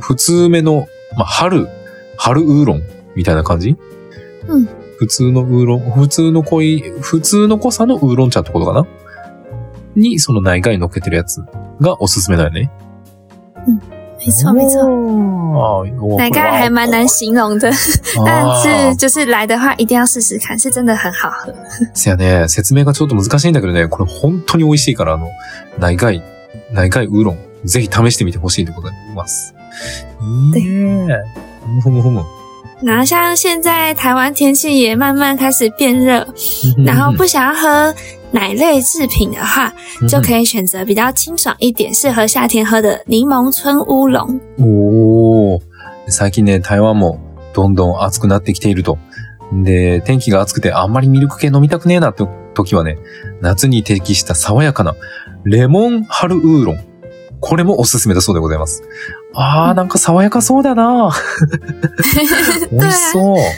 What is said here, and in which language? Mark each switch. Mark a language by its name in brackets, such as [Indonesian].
[Japanese] 普通目の、まあ、春ウーロン、みたいな感じ？うん。普通のウーロン、普通の濃さのウーロン茶ってことかな？に、その内外に乗っけてるやつがおすすめだよね。 [Chinese] うん。没错没错。奶盖还蛮难形容的。但是就是来的话一定要试试看，是真的很好喝。 [Japanese] せやね、説明がちょっと難しいんだけどね、これ本当に美味しいから、奶盖ウーロン、ぜひ試してみてほしいでございます。 [Chinese] 对。 [Japanese] ふむふむ。 [Chinese] 然后像现在台湾天气也慢慢开始变热。然后不想要喝奶类制品的话就可以选择比较清爽一点适合夏天喝的柠檬春乌龙。 [Japanese] おー。最近ね、台湾もどんどん暑くなってきていると。で、天気が暑くてあんまりミルク系飲みたくねえなって時はね、夏に適した爽やかなレモン春ウーロン。これもおすすめだそうでございます。あー、なんか爽やかそうだな。美味しそう。